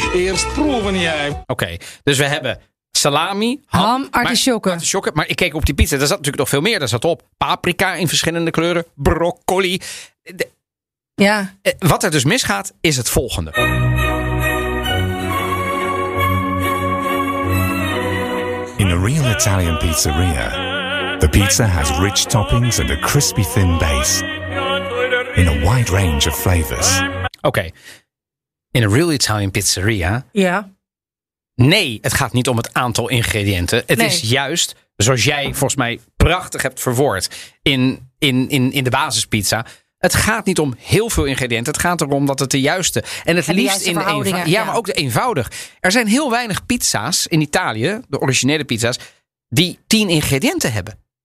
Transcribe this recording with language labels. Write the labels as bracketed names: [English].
[Dutch] Eerst proeven jij. Oké, dus we hebben salami, ham, artisjokken. Maar ik keek op die pizza, daar zat natuurlijk nog veel meer. Daar zat op paprika in verschillende kleuren, broccoli. Wat er dus misgaat, is het volgende. [English] In a real Italian pizzeria, the pizza has rich toppings and a crispy thin base. In a wide range of flavors. [Dutch] Oké. [English] In a real Italian pizzeria. [Dutch] Ja. Nee, het gaat niet om het aantal ingrediënten. Het is juist, zoals jij volgens mij prachtig hebt verwoord in de basispizza. Het gaat niet om heel veel ingrediënten. Het gaat erom dat het de juiste. En het liefst in de eenvoudige. Maar ook de eenvoudig. Er zijn heel weinig pizza's in Italië, de originele pizza's, die 10 ingrediënten hebben.